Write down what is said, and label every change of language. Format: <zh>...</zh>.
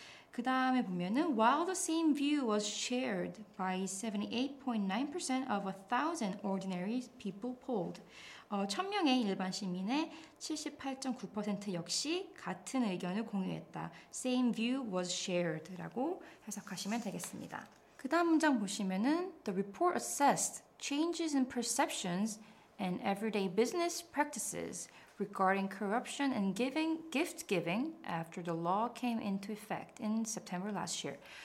<ko>그 다음에 보면은</ko> <en>while the same view was shared by 78.9% of 1,000 ordinary people polled.</en> <ko>1,000명의 일반 시민의 78.9% 역시 같은 의견을 공유했다.</ko> <en>Same view was shared라고</en> <ko>해석하시면 되겠습니다. 그 다음 문장 보시면은</ko> <en>the report assessed changes in perceptions and everyday business practices regarding corruption and gift giving after the law came into effect in September last year.</en>